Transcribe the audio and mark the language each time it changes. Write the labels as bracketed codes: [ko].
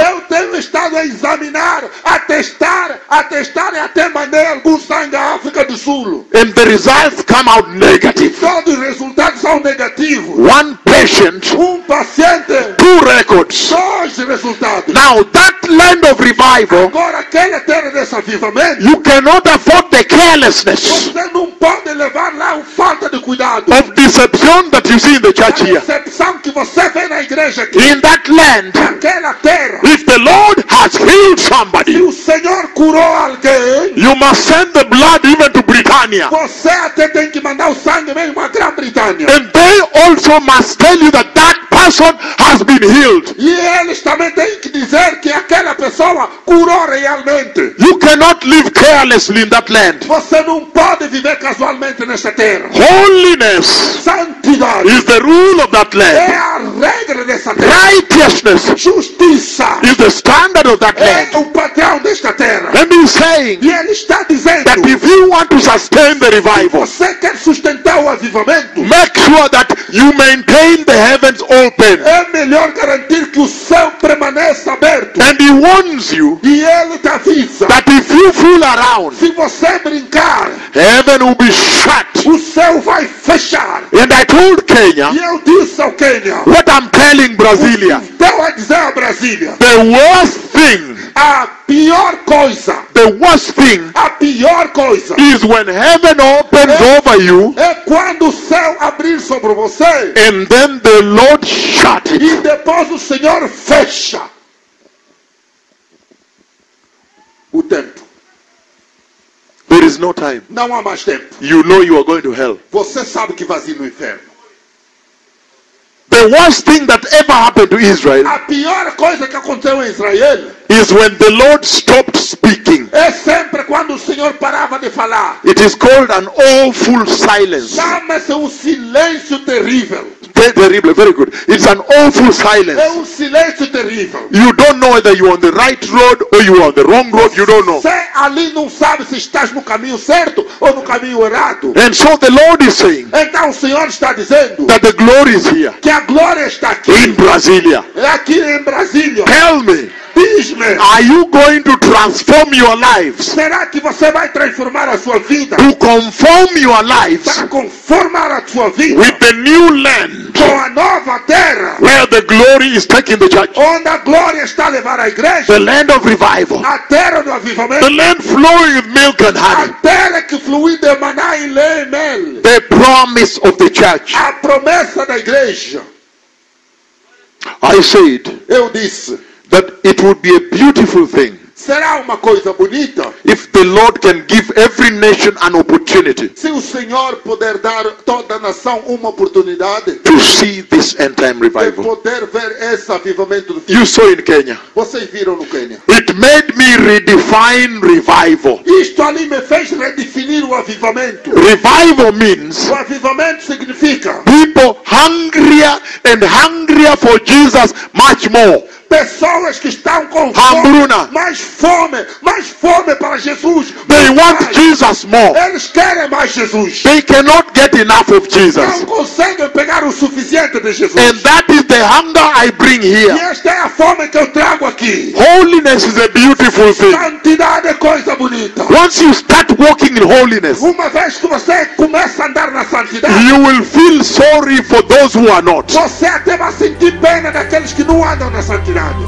[pt] Eu tenho estado a examinar, a testar e até mandei algum sangue à África do Sul. [en] And the results come out negative. [pt] Todos os resultados são negativos. [en] One patient, [pt] um paciente, [en] two records, [pt] dois resultados. [en] Now that land of revival, [pt] agora aquela terra desse avivamento, [en] you cannot afford the carelessness. [pt] Você não pode levar lá o falta de cuidado. [en] Of deception that you see in the church here. [pt] A decepção que você vê na igreja aqui. [en] In that land. [pt] Naquela terra. [en] If the Lord has healed somebody. [pt] Se o Senhor curou alguém. [en] You must send the blood even to Britannia. [pt] Você até tem que mandar o sangue mesmo à Grã-Bretanha. [en] And they also must tell you that that person has been healed. [pt] E eles também têm que dizer que aquela pessoa curou realmente. [en] You cannot live carelessly in that land. [pt] Você não pode viver casualmente nesta terra. [en] Holiness, [pt] santidade, [en] is the rule of that land. [pt] É a regra dessa terra. [en] Righteousness, [pt] justiça, [en] is the standard of that land. [pt] É o padrão desta terra. [en] Let me saying, [pt] e ele está dizendo, [en] that if you want to sustain the revival, [pt] você quer sustentar o avivamento, [en] make sure that you maintain the heavens open. [pt] É melhor garantir que o céu permaneça aberto. [en] And he warns you, [pt] e ele te avisa, [en] that if you fool around, [pt] se você brincar, [en] heaven will be shut. [pt] O céu vai fechar. [en] And I told Kenya, [pt] e eu disse ao Kenya, [en] what I'm telling Brasilia, [pt] estou a dizer a Brasília, [en] the worst thing, [pt] a pior coisa, [en] the worst thing, [pt] a pior coisa, [en] is when heaven opens over you, [pt] é quando o céu abrir sobre você, [en] and then the Lord shut it. [pt] E depois o Senhor fecha o tempo. [en] There is no time. [pt] Não há mais tempo. [en] You know you are going to hell. [pt] Você sabe que vai ir no inferno. [en] The worst thing that ever happened to Israel, [pt] a pior coisa que aconteceu em Israel, [en] is when the Lord stopped speaking. [pt] É sempre quando o Senhor parava de falar. [en] It is called an awful silence. [pt] Chama-se um silêncio terrível. [en] Terrible, very good. It's an awful silence. [pt] É um silêncio terrível. [en] You don't know whether you're on the right road or you're on the wrong road. You don't know. [pt] Você ali não sabe se estás no caminho certo ou no caminho errado. [en] And so the Lord is saying. [pt] Então o Senhor está dizendo. [en] That the glory is here. [pt] Que a glória está aqui. [en] In Brasília. [pt] É aqui em Brasília. [en] Tell me. [pt] Diz-me. [en] Are you going to transform your lives? [pt] Será que você vai transformar a sua vida? [en] To conform your lives. [pt] Para conformar a sua vida. [en] With the new land. [pt] Com a nova terra. [en] Where the glory is taking the church. [pt] Onde a glória está a levar a igreja. [en] The land of revival. [pt] A terra do avivamento. [en] The land flowing with milk and honey. [pt] A terra que flui de maná e leite e mel. [en] The promise of the church. [pt] A promessa da igreja. [en] I said. [pt] Eu disse. [en] That it would be a beautiful thing. [pt] Será uma coisa bonita. [en] If the Lord can give every nation an opportunity. [pt] Se o Senhor puder dar toda a nação uma oportunidade. [en] To see this end time revival. [pt] De poder ver esse avivamento do [en] fim. You saw in Kenya. [pt] Vocês viram no Quênia. [en] It made me redefine revival. [pt] Isto ali me fez redefinir o avivamento. [en] Revival means. [pt] O avivamento significa. [en] People hungrier and hungrier for Jesus much more. [pt] pessoas que estão com hambruna, mais fome para Jesus. [en] They want Jesus more. [pt] Eles querem mais Jesus. [en] They cannot get enough of Jesus. [pt] Não conseguem pegar o suficiente de Jesus. [en] And that is the hunger I bring here. [pt] E esta é a fome que eu trago aqui. [en] Holiness is a beautiful thing. [pt] Santidade é coisa bonita. [en] Once you start walking in holiness, [pt] uma vez que você começa a andar na santidade, [en] you will feel sorry for those who are not. [pt] Você até vai sentir pena daqueles que não andam na santidade.